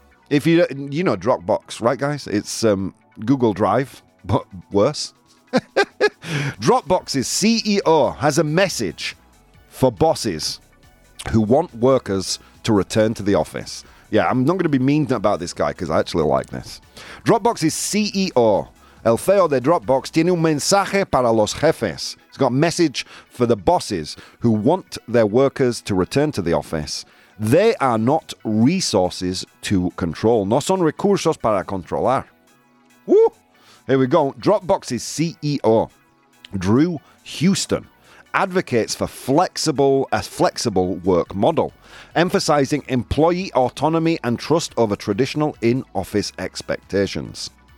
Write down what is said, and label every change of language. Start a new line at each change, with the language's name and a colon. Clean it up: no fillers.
English: If you know Dropbox, right, guys? It's Google Drive, but worse. Dropbox's CEO has a message for bosses who want workers to return to the office. Yeah, I'm not going to be mean about this guy because I actually like this. Dropbox's CEO,
Spanish: el CEO de Dropbox, tiene un mensaje para los jefes.
English: He's got a message for the bosses who want their workers to return to the office. They are not resources to control.
Spanish: No son recursos para controlar. Woo!
English: Here we go. Dropbox's CEO, Drew Houston, advocates for a flexible work model, emphasizing employee autonomy and trust over traditional in-office expectations.